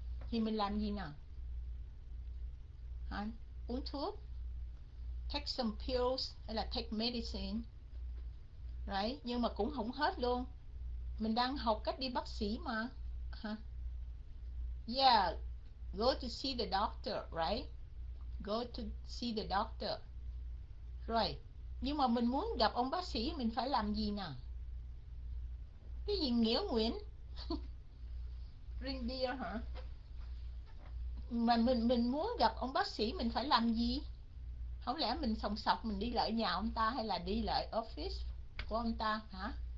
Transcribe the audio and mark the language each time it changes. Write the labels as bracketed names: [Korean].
[Vietnamese] Thì mình làm gì nào? Hả? Uống thuốc, [English] take some pills [Vietnamese] hay là [English] take medicine, right? [Vietnamese] Nhưng mà cũng không hết luôn. Mình đang học cách đi bác sĩ mà. Hả? [English] Yeah, go to see the doctor, right? go to see the doctor. [Vietnamese] Rồi, nhưng mà mình muốn gặp ông bác sĩ mình phải làm gì nào? Cái gì nghĩa Nguyễn? [English] Drink beer [Vietnamese] hả? Mà mình muốn gặp ông bác sĩ mình phải làm gì? Không lẽ mình sòng sọc mình đi lại nhà ông ta hay là đi lại office của ông ta hả?